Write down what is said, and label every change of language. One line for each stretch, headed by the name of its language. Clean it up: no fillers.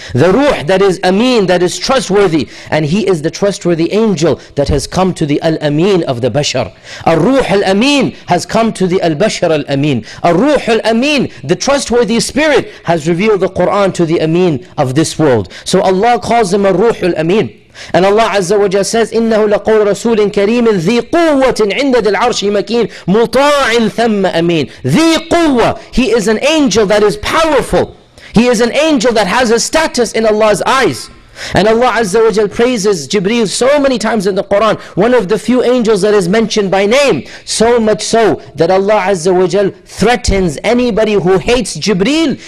English: The ruh that is ameen, that is trustworthy. And he is the trustworthy angel that has come to the al-ameen of the bashar. الروح الأمين has come to the al-bashar al-ameen. الروح الأمين, the trustworthy spirit, has revealed the Qur'an to the ameen of this world. So Allah calls him الروح الأمين. And Allah Azza wa Jalla says,
Arabic: إِنَّهُ لَقَوْلَ رَسُولٍ كَرِيمٍ ذِي قُوَّةٍ عِنْدَ دِ الْعَرْشِ مَكِينٍ مُطَاعٍ ثَمَّ أَمِينٍ. ذِي قُوَّةٍ.
English: He is an angel that is powerful. He is an angel that has a status in Allah's eyes. And Allah Azza wa Jalla praises Jibreel so many times in the Quran. One of the few angels that is mentioned by name. So much so that Allah Azza wa Jalla threatens anybody who hates Jibreel.